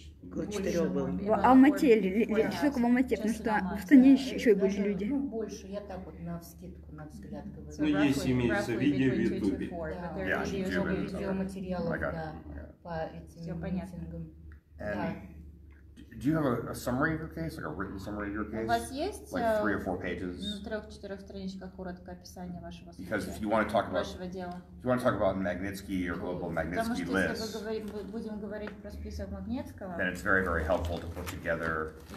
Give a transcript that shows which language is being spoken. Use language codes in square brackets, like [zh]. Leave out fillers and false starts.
[ru] Около 4 было. В Алмате, сколько в Алмате, потому что в Астане еще и больше люди. Ну, больше, я так вот на вскидку, на взгляд говорю. Ну, есть, имеется видео в Ютубе. Да, много видеоматериалов, да, по этим митингам. [en] Do you have a summary of your case, like a written summary of your case? [ru] У вас есть? [en] Like 3 or 4 pages? [ru] На 3-4 страничках короткое описание вашего [en] случая. Because if you want to talk about [ru] вашего дела. [en] If you want to talk about Magnitsky or global Magnitsky list. [ru] Потому что если мы будем говорить про список Магнитского. [en] Then it's very very helpful to put together.